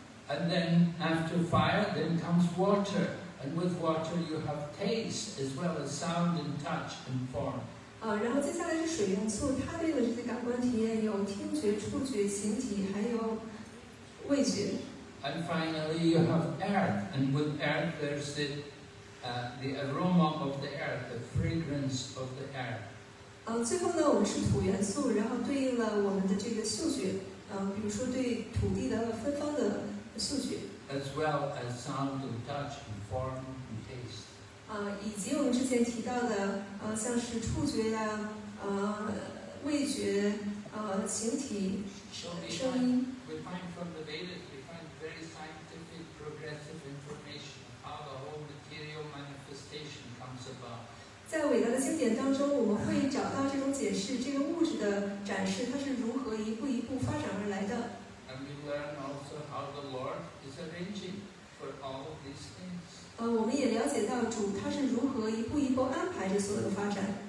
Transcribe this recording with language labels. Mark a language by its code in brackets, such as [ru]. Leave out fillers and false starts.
[en] And then after fire, then comes water. And with water, you have taste as well as sound and touch and form. [zh] 然后接下来是水元素，它对应的这些感官体验有听觉、触觉、形体，还有味觉。 [en] And finally, you have earth, and with earth, there's the aroma of the earth, the fragrance of the earth. [zh] 最后呢，我们是土元素，然后对应了我们的这个嗅觉，比如说对土地的芬芳的嗅觉。 [en] As well as sound and touch and form and taste. [zh] 以及我们之前提到的，像是触觉呀，味觉，形体，声音。 [en] We find from the Vedas. Very scientific, progressive information of how the whole material manifestation comes about. [zh] 在伟达的经典当中，我们会找到这种解释，这个物质的展示它是如何一步一步发展而来的。 [en] And we learn also how the Lord is arranging for all of these things. [zh] 我们也了解到主他是如何一步一步安排着所有的发展。